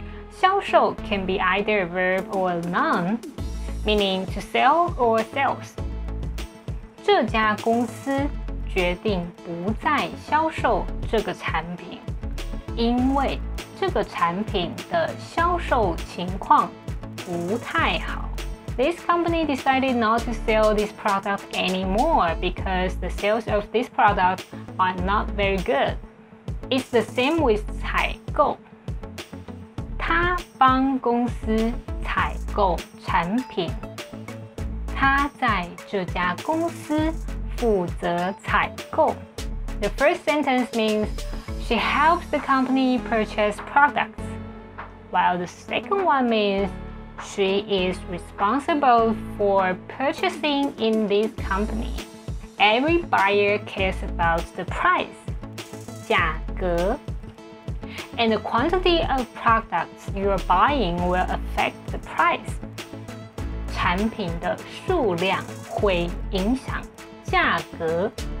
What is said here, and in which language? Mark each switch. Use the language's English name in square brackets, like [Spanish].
[English] 销售 can be either a verb or a noun, meaning to sell or sales. [Chinese] 这家公司决定不再销售这个产品，因为这个产品的销售情况不太好。 [English] This company decided not to sell this product anymore because the sales of this product are not very good. It's the same with 采购。 [Chinese] 她帮公司采购产品。她在这家公司负责采购。 [English] The first sentence means she helps the company purchase products, while the second one means She is responsible for purchasing in this company. Every buyer cares about the price, 价格, and the quantity of products you're buying will affect the price. [Chinese] 产品的数量会影响价格。